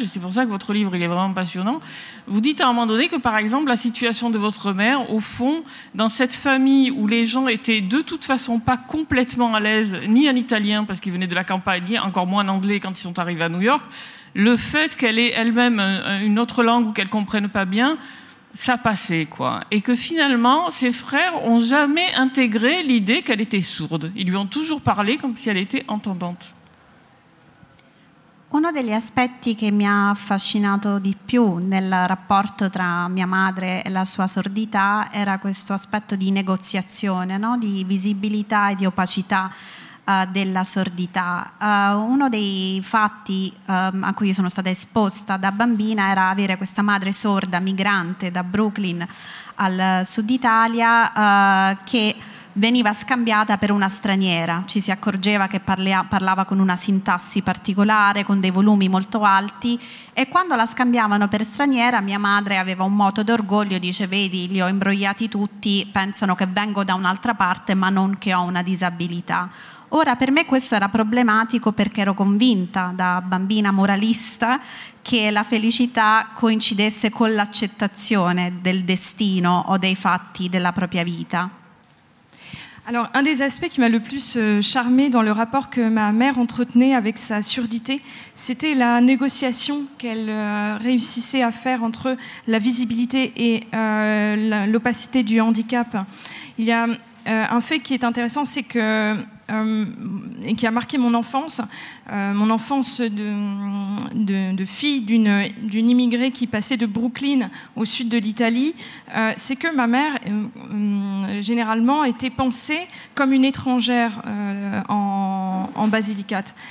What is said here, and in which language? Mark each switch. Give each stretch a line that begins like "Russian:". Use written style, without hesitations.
French: Et c'est pour ça que votre livre, il est vraiment passionnant. Vous dites à un moment donné que, par exemple, la situation de votre mère, au fond, dans cette famille où les gens étaient de toute façon pas complètement à l'aise, ni en italien parce qu'ils venaient de la campagne, ni encore moins en anglais quand ils sont arrivés à New York, le fait qu'elle ait elle-même une autre langue ou qu'elle ne comprenne pas bien, ça passait, quoi. Et que finalement, ses frères n'ont jamais intégré l'idée qu'elle était sourde. Ils lui ont toujours parlé comme si elle était entendante.
Italian: Uno degli aspetti che mi ha affascinato di più nel rapporto tra mia madre e la sua sordità era questo aspetto di negoziazione, no? Di visibilità e di opacità della sordità. Uno dei fatti a cui sono stata esposta da bambina era avere questa madre sorda migrante da Brooklyn al sud Italia che veniva scambiata per una straniera. Ci si accorgeva che parlava con una sintassi particolare, con dei volumi molto alti, e quando la scambiavano per straniera mia madre aveva un moto d'orgoglio, dice: vedi, li ho imbrogliati tutti, pensano che vengo da un'altra parte ma non che ho una disabilità. Ora, per me questo era problematico perché ero convinta, da bambina moralista, che la felicità coincidesse con l'accettazione del destino o dei fatti della propria vita.
French: Alors, un des aspects qui m'a le plus charmé dans le rapport que ma mère entretenait avec sa surdité, c'était la négociation qu'elle réussissait à faire entre la visibilité et l'opacité du handicap. Il y a un fait qui est intéressant, c'est que et qui a marqué mon enfance de fille d'une immigrée qui passait de Brooklyn au sud de l'Italie, c'est que ma mère, généralement, était pensée comme une étrangère en Basilicate.